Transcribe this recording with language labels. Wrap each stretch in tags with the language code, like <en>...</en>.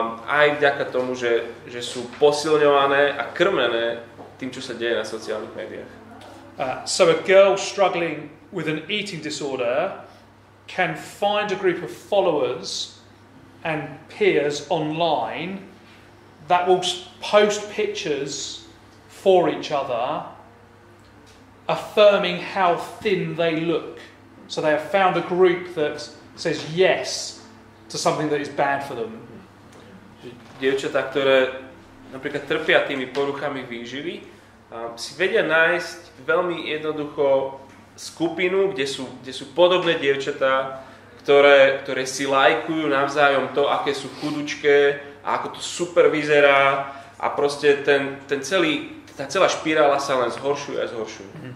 <sk>Aj vďaka tomu, že sú posilňované a krmené tým, čo sa deje na sociálnych médiách.</sk> <en>So a girl struggling with an eating disorder can find a group of followers and peers online that will post pictures for each other affirming how thin they look. So they have found a group that says yes to something that is bad for them.</en> <sk>Dievčatá, ktoré napríklad trpia tými poruchami výživy, si vedia nájsť veľmi jednoducho skupinu, kde sú podobné dievčatá, ktoré si lajkujú navzájom to, aké sú chudučké a ako to super vyzerá a proste tá celá špirála sa len zhoršuje a zhoršuje.</sk>